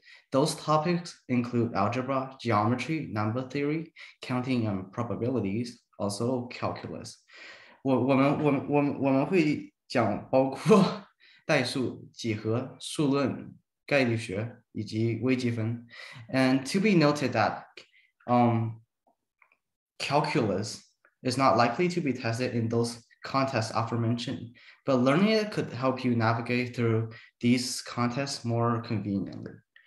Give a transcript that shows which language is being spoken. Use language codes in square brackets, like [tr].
[en] Those topics include algebra, geometry, number theory, counting and probabilities, also calculus. [zh] 我们会讲包括代数、几何、数论、概率学以及微积分。 [en] And to be noted that, calculus is not likely to be tested in those contests aforementioned, but learning it could help you navigate through these contests more conveniently.